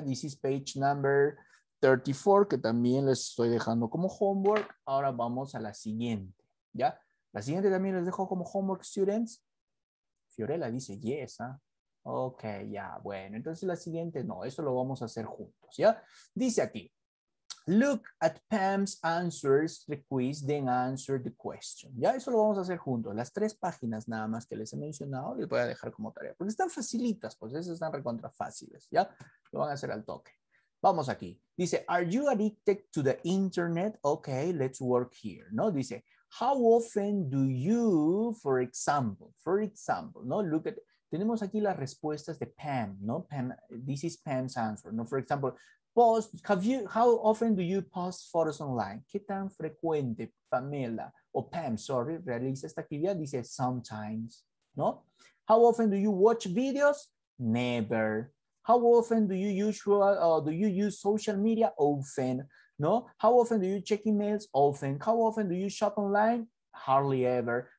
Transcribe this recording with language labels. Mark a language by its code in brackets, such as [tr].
[en] This is page number 34, [es] que también les estoy dejando como homework. Ahora vamos a la siguiente, ¿ya? La siguiente también les dejo como homework, students. Fiorella dice, yes, ¿eh? Ok, ya, bueno, entonces la siguiente, no, eso lo vamos a hacer juntos, ¿ya? Dice aquí, [en] look at Pam's answers to the quiz, then answer the question. [es] Ya, eso lo vamos a hacer juntos. Las tres páginas nada más que les he mencionado, les voy a dejar como tarea, porque están facilitas, pues esas están recontra fáciles, ¿ya? Lo van a hacer al toque. Vamos aquí. Dice, [en] are you addicted to the internet? Ok, let's work here, ¿no? Dice, how often do you, for example, ¿no? Look at, [es] tenemos aquí las respuestas de Pam, ¿no? [en] Pam, this is Pam's answer, ¿no? For example, post, have you, how often do you post photos online? [es] ¿Qué tan frecuente Pamela, o Pam, sorry, realiza esta actividad? [en] Dice, sometimes, ¿no? How often do you watch videos? Never. How often do you use social media? Often. No, how often do you check emails? Often. How often do you shop online? Hardly ever.